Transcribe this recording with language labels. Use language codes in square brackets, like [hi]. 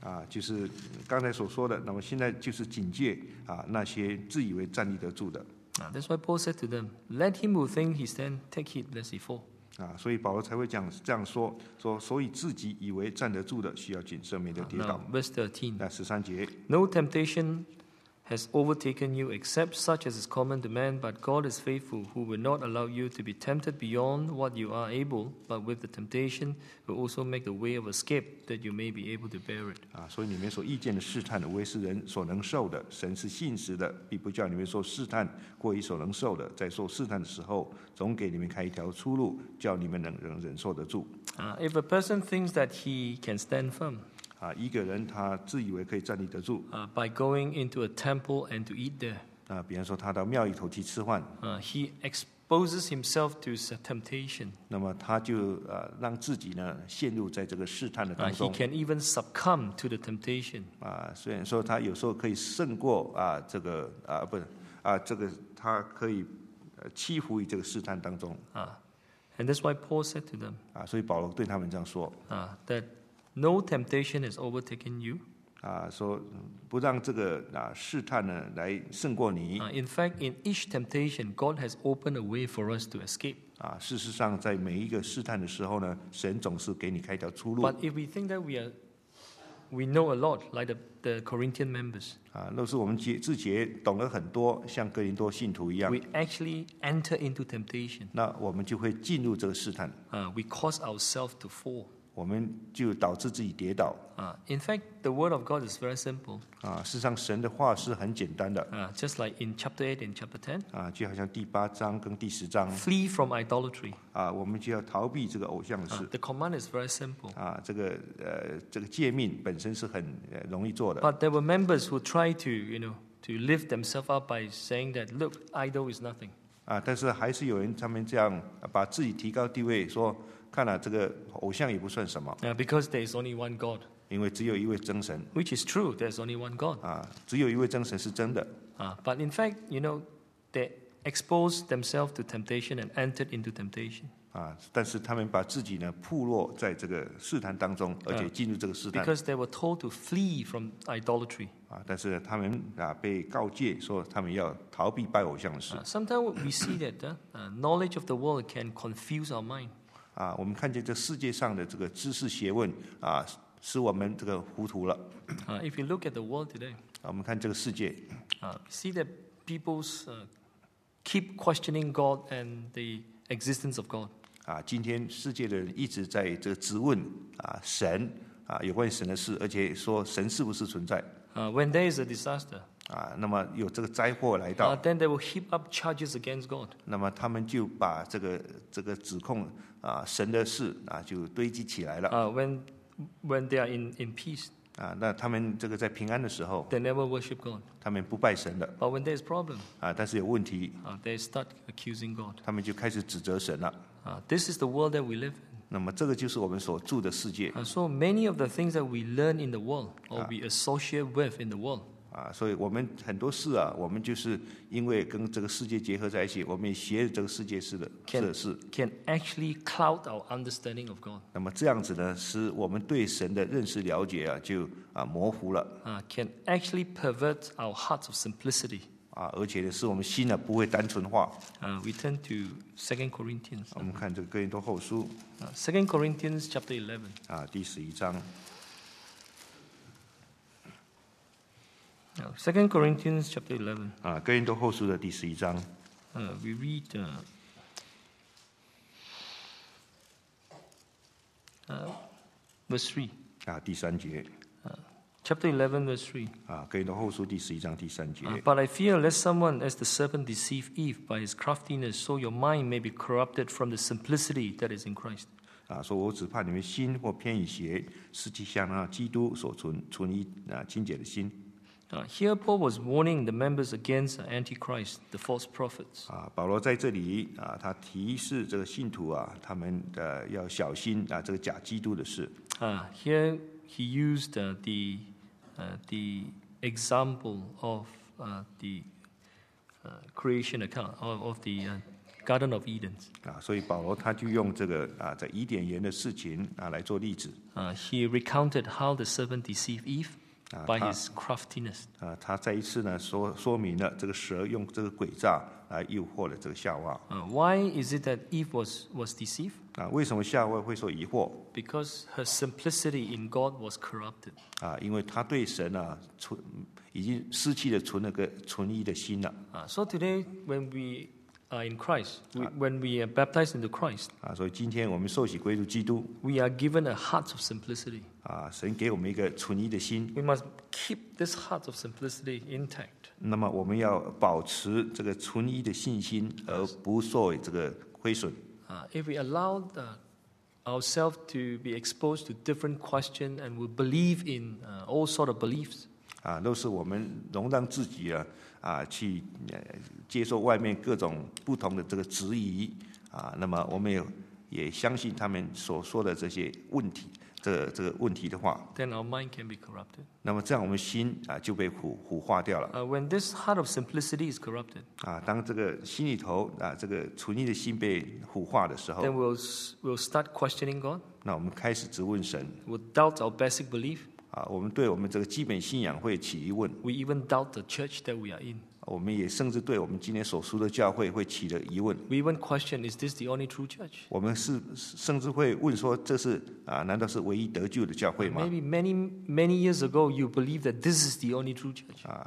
[zh] 就是刚才所说的，那么现在就是警戒那些自以为站立得住的。 [en] That's why Paul said to them, "Let him who thinks he stand take heed lest he fall." [zh] 所以保罗才会讲这样说，说所以自己以为站得住的，需要谨慎，免得跌倒。 [en] Verse 13. [zh] 十三节。 [en] No temptation has overtaken you except such as is common to man, but God is faithful, who will not allow you to be tempted beyond what you are able, but with the temptation will also make the way of escape that you may be able to bear it. [zh] 所以你们所遇见的试探的，为是人所能受的，神是信实的，必不叫你们受试探过于所能受的，在受试探的时候，总给你们开一条出路，叫你们能忍受得住。 [en] If a person thinks that he can stand firm, [zh] 一个人他自以为可以站立得住。 [en] By going into a temple and to eat there. [zh] 比方说他到庙里头去吃饭。 [en] He exposes himself to temptation. [zh] 那么他就让自己呢陷入在这个试探的当中。 [en] He can even succumb to the temptation. [zh] 虽然说他有时候可以胜过这个不是这个他可以屈服于这个试探当中。 [en] And that's why Paul said to them. [zh] 所以保罗对他们这样说。 [en] That no temptation has overtaken you. [zh] 说不让这个试探呢来胜过你。 [en] In fact, in each temptation, God has opened a way for us to escape. [zh] 事实上，在每一个试探的时候呢，神总是给你开一条出路。 [en] But if we think that we know a lot, like the Corinthian members. [zh] 若是我们自觉懂了很多，像哥林多信徒一样。 [en] We actually enter into temptation. [zh] 那我们就会进入这个试探。 [en] We cause ourselves to fall. [zh] 我们就导致自己跌倒。 [en] In fact, the word of God is very simple. [zh] 事实上神的话是很简单的。 [en] Just like in chapter 8 and chapter 10. [zh] 就好像第八章跟第十章。 [en] Flee from idolatry. [zh] 我们就要逃避这个偶像的事。 [en] The command is very simple. [zh] 这个诫命本身是很容易做的。 [en] But there were members who tried to, you know, to lift themselves up by saying that, look, idol is nothing. [zh] 但是还是有人他们这样把自己提高地位说看了这个偶像也不算什么。 [en] Because there is only one God. [zh] 因为只有一位真神。 [en] Which is true, there is only one God. [zh] 只有一位真神是真的。 [en] But in fact, you know, they exposed themselves to temptation and entered into temptation. [zh] 但是他们把自己呢暴露在这个试探当中，而且进入这个试探。 [en] Because they were told to flee from idolatry. [zh] 但是他们被告诫说他们要逃避拜偶像的事。 [en] Sometimes we see that knowledge of the world can confuse our mind. [zh] 我们看见这世界上的这个知识学问使我们这个糊涂了。 [en] If you look at the world today, [zh] 我们看这个世界。 [en] See that people keep questioning God and the existence of God. [zh] 今天世界的人一直在这个质问神有关神的事，而且说神是不是存在。 [en] When there is a disaster, [zh] 啊，那么有这个灾祸来到。 [en] Then they will heap up charges against God. [zh] 那么他们就把这个指控啊神的事啊就堆积起来了。 [en] When they are in peace. [zh] 啊，那他们这个在平安的时候。 [en] They never worship God. [zh] 他们不拜神的。 [en] But when there is problem. [zh] 啊，但是有问题。 [en] They start accusing God. [zh] 他们就开始指责神了。 [en] This is the world that we live in. [zh] 那么这个就是我们所住的世界。 [en] So many of the things that we learn in the world or we associate with in the world. [zh] 所以我们很多事啊，我们就是因为跟这个世界结合在一起，我们也学这个世界式的事。 [en] Can actually cloud our understanding of God. [zh] 那么这样子呢，使我们对神的认识了解啊，就模糊了。 [en] Can actually pervert our hearts of simplicity. [zh] 而且使我们心呢不会单纯化。 [en] We turn to 2 Corinthians. [zh] 我们看这个哥林多后书。 [en] 2 Corinthians chapter 11. [zh] 第十一章。 [en] 2 Corinthians chapter 11. [zh] 哥林多后书的第十一章。 [en] We read verse 3. [zh] 第三节。 [en] Chapter 11, verse 3. [zh] 哥林多后书第十一章第三节。 [en] But I fear lest someone, as the serpent deceived Eve by his craftiness, so your mind may be corrupted from the simplicity that is in Christ. [zh] 说我只怕你们心或偏于邪，失去像那基督所存于清洁的心。 [en] Here Paul was warning the members against Antichrist, the false prophets. [zh] 保罗在这里他提示这个信徒他们要小心这个假基督的事。 [en] Here. He used the example of the creation account of the Garden of Eden. [zh] 所以保罗他就用这个在伊甸园的事情来做例子。 [en] He recounted how the serpent deceived Eve by his craftiness. [zh] 他再一次呢说明了这个蛇用这个诡诈来诱惑了这个夏娃。 [en] Why is it that Eve was deceived? [zh] 为什么夏娃会受疑惑？ [en] Because her simplicity in God was corrupted. [zh] 因为她对神已经失去了存一的心了。 [en] So today when we are in Christ, when we are baptized into Christ, [zh] 所以今天我们受洗归入基督。 [en] We are given a heart of simplicity. [zh] 神给我们一个存一的心。 [en] We must keep this heart of simplicity intact. [zh] 那么我们要保持这个存一的信心，而不受这个亏损。 [en] If we allow theourselves to be exposed to different questions and we believe in all sort of beliefs. [zh] 都是我们容让自己去接受外面各种不同的这个质疑那么我们也相信他们所说的这些问题，这个问题的话。 [en] Then our mind can be corrupted. [zh] 那么这样我们心就被腐化掉了。 [en] When this heart of simplicity is corrupted. [zh] 当这个心里头这个纯一的心被腐化的时候。 [en] Then we'll start questioning God. [zh] 那我们开始质问神。 [en] We'll doubt our basic belief. [zh] 我们对我们这个基本信仰会起疑问。 [en] We even doubt the church that we are in. [zh] 我们也甚至对我们今天所属的教会会起了疑问。 [en] We even question, is this the only true church? [zh] 我们是甚至会问说，这是难道是唯一得救的教会吗？ [en] Maybe many many years ago, you believe that this is the only true church.